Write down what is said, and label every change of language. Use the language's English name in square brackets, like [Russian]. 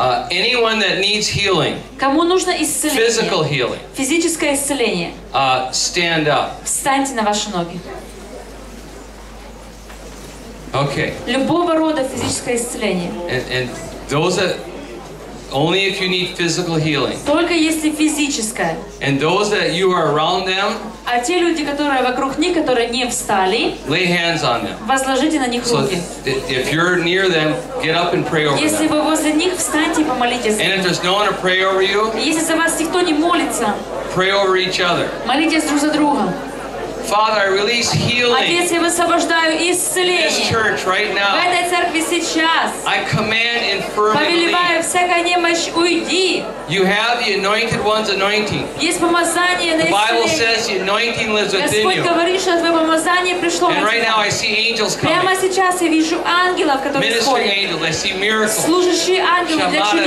[English] Anyone that needs healing, [Russian] кому нужно исцеление, [English] physical healing, [Russian] физическое исцеление, [English] stand up. [Russian] Встаньте на ваши ноги. [English] Okay. [Russian] Любого рода физическое исцеление. [English] And those that only if you need physical healing. [Russian] Только если физическое. [English] And those that you are around them. [Russian] А те люди, которые вокруг них, которые не встали. [English] Lay hands on them. [Russian] Возложите на них руки. [English] If you're near them, get up and pray over them. [Russian] Если вы возле них, встаньте и помолитесь. [English] And if there's no one to pray over you. [Russian] Если за вас никто не молится. [English] Pray over each other. [Russian] Молитесь друг за друга. [English] Father, I release healing. [Russian] Отец, я высвобождаю исцеление. [English] This church right now. [Russian] В этой церкви сейчас. [English] I command infirmity. [Russian] Повелеваю, всякая немощь уйди. [English] You have the anointed one's anointing. [Russian] Есть помазание на исцеление. [English] The Bible says the anointing lives within you. [Russian] Господь говорит, что твое помазание пришло. [English] And right now I see angels coming. [Russian] Прямо сейчас я вижу ангелов, которые исходят. [English] Ministering angels, I see miracles. [Russian] Служащие ангелы для чудес.